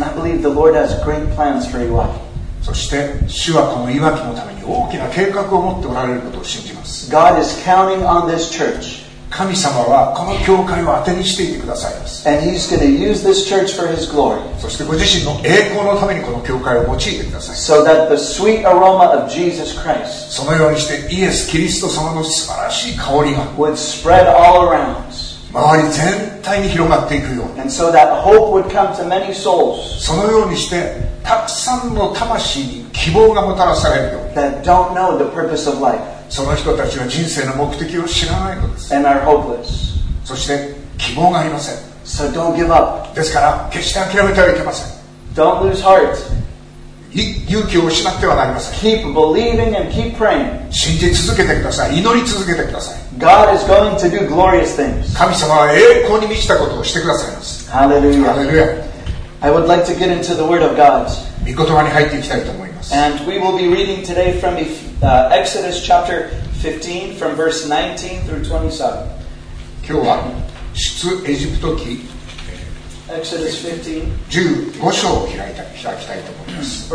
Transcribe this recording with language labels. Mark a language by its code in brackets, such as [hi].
[en] And I believe the Lord has great plans for Iwaki. [ja] そして主はこのいわきのために大きな計画を持っておられることを信じます。 [en] God is counting on this church. [ja] 神様はこの教会を当てにしていてくださいます。 [en] And he's going to use this church for his glory. [ja] そしてご自身の栄光のためにこの教会を用いてください。 [en] So that the sweet aroma of Jesus Christ. [ja] そのようにしてイエス・キリスト様の素晴らしい香りが [en] would spread all around. [ja] 周り全体に広がっていくように。 [en] And so that hope would come to many souls. [ja] そのようにしてたくさんの魂に希望がもたらされるように。 [en] That don't know the purpose of life. [ja] その人たちは人生の目的を知らないのです。 [en] And are hopeless. [ja] そして希望がありません。 [en] So don't give up. [ja] ですから決して諦めてはいけません。 [en] Don't lose heart. [ja] 勇気を失ってはなりません。 [en] Keep believing and keep praying. [ja] 信じ続けてください。祈り続けてください。 [en] God is going to do glorious things. [ja] 神様は栄光に満ちたことをしてくださいます。 [en] Hallelujah. Hallelujah. I would like to get into the Word of God. [ja] 御言葉に入っていきたいと思います。 [en] And we will be reading today from Exodus chapter 15 from verse 19 through 27. [ja] 今日は出エジプト記 [en] Exodus 15 [ja] 章を開きたいと思います。